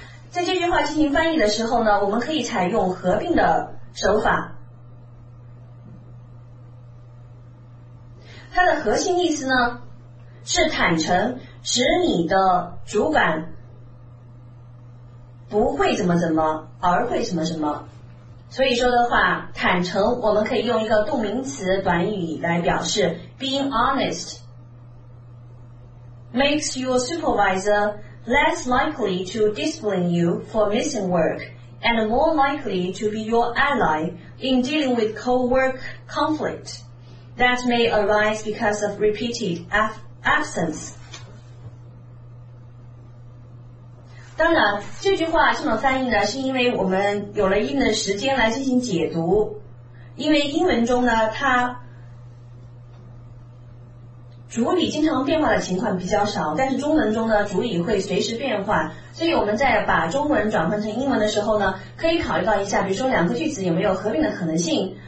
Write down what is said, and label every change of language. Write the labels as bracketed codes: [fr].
[zh] 在这句话进行翻译的时候呢，我们可以采用合并的手法，它的核心意思呢是坦诚，使你的主管不会怎么怎么而会什么什么。所以说的话，坦诚我们可以用一个动名词短语来表示， [en] being honest makes your supervisorless likely to discipline you for missing work and more likely to be your ally in dealing with co-work conflict that may arise because of repeated absence. [zh] 当然这句话这么翻译呢，是因为我们有了一定的时间来进行解读，因为英文中呢它主语经常变化的情况比较少，但是中文中呢主语会随时变化，所以我们在把中文转换成英文的时候呢，可以考虑到一下，比如说两个句子有没有合并的可能性，